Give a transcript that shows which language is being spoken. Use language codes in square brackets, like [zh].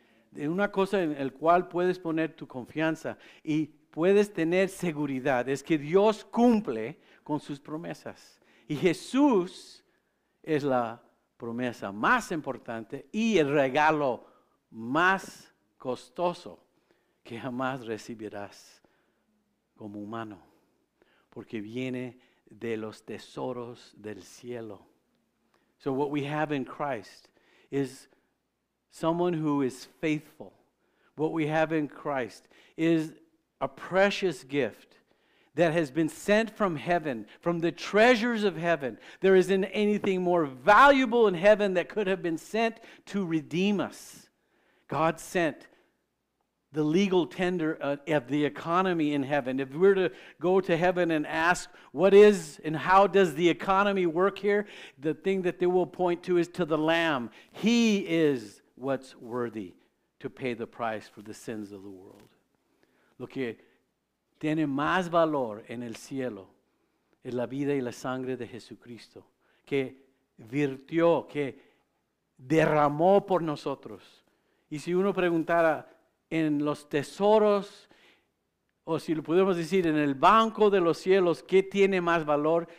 [es] De una cosa en la cual puedes poner tu confianza y puedes tener seguridad, es que Dios cumple con sus promesas. Y Jesús es la promesa más importante y el regalo más costoso que jamás recibirás como humano. Porque viene de los tesoros del cielo. [en] So what we have in Christ is someone who is faithful. What we have in Christ is a precious gift that has been sent from heaven, from the treasures of heaven. There isn't anything more valuable in heaven that could have been sent to redeem us. God sent the legal tender of the economy in heaven. If we were to go to heaven and ask what is and how does the economy work here, the thing that they will point to is to the Lamb. He is what's worthy to pay the price for the sins of the world. [es] Lo que tiene más valor en el cielo es la vida y la sangre de Jesucristo, que virtió, que derramó por nosotros. Y si uno preguntara en los tesoros, o si lo pudiéramos decir en el banco de los cielos, ¿qué tiene más valor?